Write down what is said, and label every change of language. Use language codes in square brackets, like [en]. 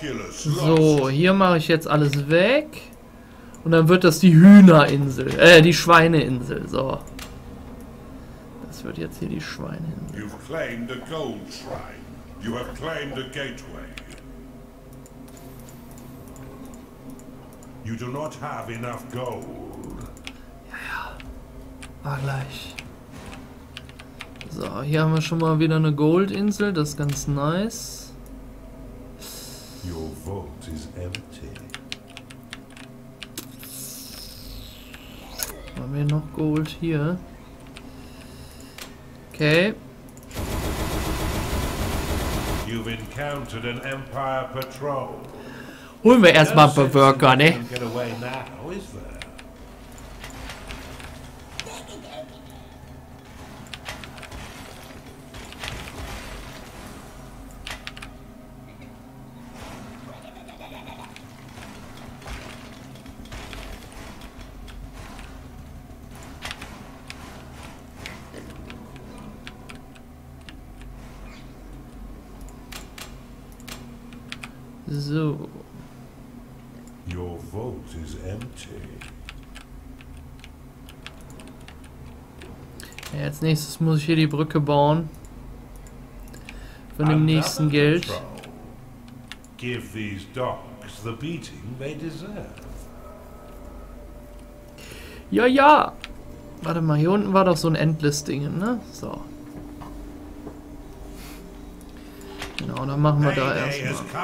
[de] So, hier mache ich jetzt alles weg. Und dann wird das die Hühnerinsel. Die Schweineinsel. So. Das wird jetzt hier die Schweineinsel. [en] You've claimed a gold shrine. You have claimed a gateway. You do not have enough gold. [de] Ja, ja. War gleich. So, hier haben wir schon mal wieder eine Goldinsel. Das ist ganz nice. [en] Your vault is empty. [de] Haben wir noch Gold hier? Okay. [en] You've encountered an Empire Patrol. [de] Holen wir erstmal Bewirker, ne? [en] Get away now, is there? So. Your vault is empty. [de] Ja, als nächstes muss ich hier die Brücke bauen. Von dem [en] Under [de] nächsten Geld. [en] Give these docks the beating they deserve. [de] Ja, ja. Warte mal, hier unten war doch so ein Endless-Ding, ne? So. Genau, dann machen wir da erstmal.